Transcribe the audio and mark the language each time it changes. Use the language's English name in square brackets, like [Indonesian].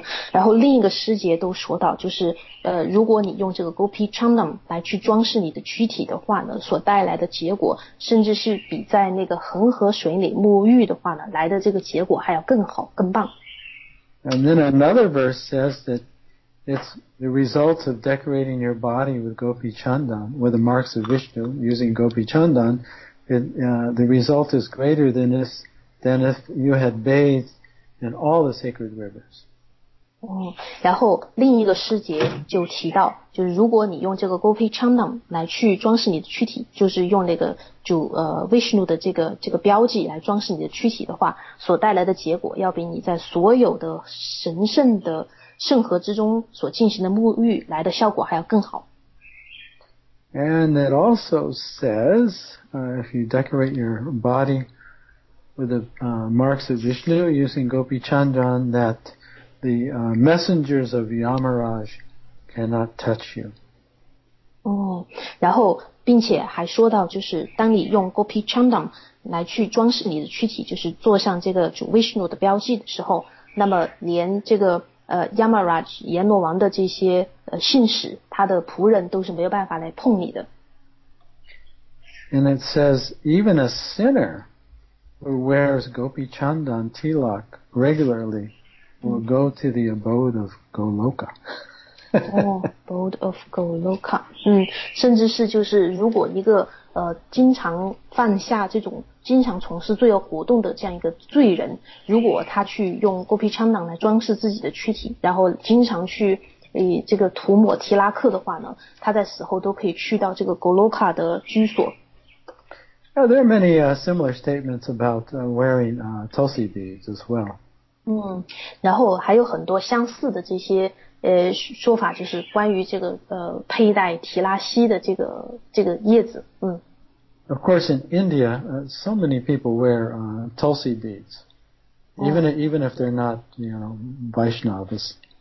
[Chinese] 然后另一个师姐都说到，就是如果你用这个 Gopi Chandam 来去装饰你的躯体的话呢，所带来的结果甚至是比在那个恒河水里沐浴的话呢来的这个结果还要更好更棒。 [English] And then another verse says that it's the result of decorating your body with Gopi Chandam, with the marks of Vishnu using Gopi Chandam, the result is greater than if you had bathedand all the sacred rivers. [Chinese] 然后另一个师姐就提到，就是如果你用这个 Gopi Chandam 来去装饰你的躯体，就是用那个主Vishnu 的这个标记来装饰你的躯体的话，所带来的结果要比你在所有的神圣的圣河之中所进行的沐浴来的效果还要更好。 [English] And it also says, if you decorate your body,with the marks of Vishnu using Gopi Chandan, that the messengers of Yamaraj cannot touch you. [Chinese] 哦，然后并且还说到，就是当你用 Gopi Chandan 来去装饰你的躯体，就是做上这个主 Vishnu 的标记的时候，那么连这个Yamaraj 阎罗王的这些信使，他的仆人都是没有办法来碰你的。 [English] And it says even a sinner. Who wears Gopi Chandan Tilak regularly will go to the abode of Goloka. abode of Goloka. [Chinese] 甚至是就是如果一个经常犯下这种经常从事罪恶活动的这样一个罪人，如果他去用 Gopi Chandan 来装饰自己的躯体，然后经常去这个涂抹提拉克的话呢，他在死后都可以去到这个 Goloka 的居所。 [English] Yeah, there are many similar statements about wearing tulsi beads as well. [Chinese] 然后还有很多相似的这些说法，就是关于这个佩戴提拉西的这个叶子。 [English] Of course, in India, so many people wear tulsi beads, even if they're not, Vaishnavas.